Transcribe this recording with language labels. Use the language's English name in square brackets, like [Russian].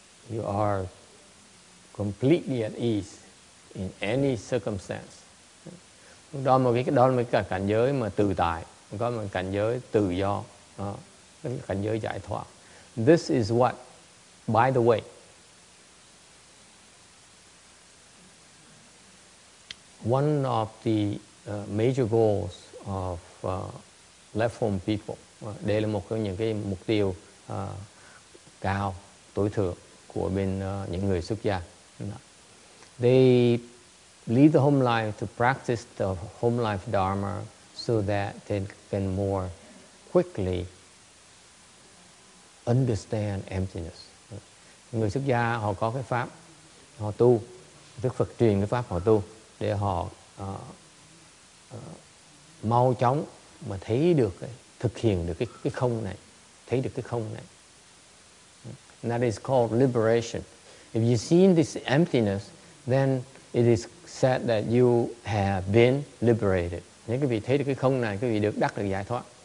[English] you are completely at ease in any circumstance. [Vietnamese] Đó là một cái cảnh giới mà tự tại, có một cảnh giới tự do, cảnh giới giải thoát. [English] This is what, by the way, one of the major goals of left home people. [Vietnamese] Đây là một trong những cái mục tiêu cao, tối thượng của bên những người xuất gia. [English] They leave the home life to practice the home life dharma so that they can more quickly understand emptiness. [Vietnamese] Người xuất gia họ có cái pháp, họ tu, Đức Phật truyền cái pháp họ tu để họ mau chóng mà thấy được, thực hiện được cái không này, thấy được cái không này. [English] And that is called liberation. If you see this emptiness, then it is said that you have been liberated. [Vietnamese] Nếu quý vị thấy được cái không này, quý vị được đắc được giải thoát.